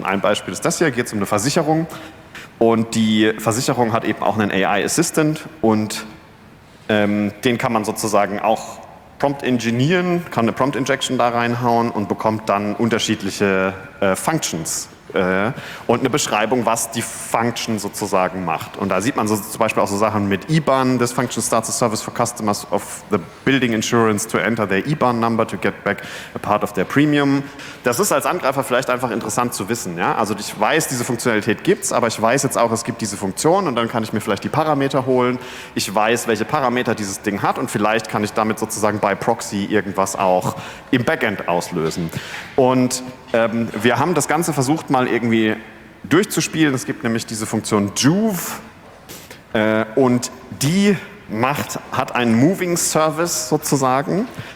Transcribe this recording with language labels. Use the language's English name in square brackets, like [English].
[German] Ein Beispiel ist das hier, geht es um eine Versicherung. Und die Versicherung hat eben auch einen AI-Assistant und den kann man sozusagen auch Prompt Engineeren, kann eine Prompt Injection da reinhauen und bekommt dann unterschiedliche Functions Und eine Beschreibung, was die Function sozusagen macht. Und da sieht man so zum Beispiel auch so Sachen mit IBAN. [English] This function starts a service for customers of the building insurance to enter their IBAN number to get back a part of their premium. [German] Das ist als Angreifer vielleicht einfach interessant zu wissen. Ja? Also ich weiß, diese Funktionalität gibt's, aber ich weiß jetzt auch, es gibt diese Funktion und dann kann ich mir vielleicht die Parameter holen. Ich weiß, welche Parameter dieses Ding hat und vielleicht kann ich damit sozusagen by proxy irgendwas auch im Backend auslösen. Und wir haben das Ganze versucht mal irgendwie durchzuspielen. Es gibt nämlich diese Funktion Joove und die hat einen Moving Service sozusagen.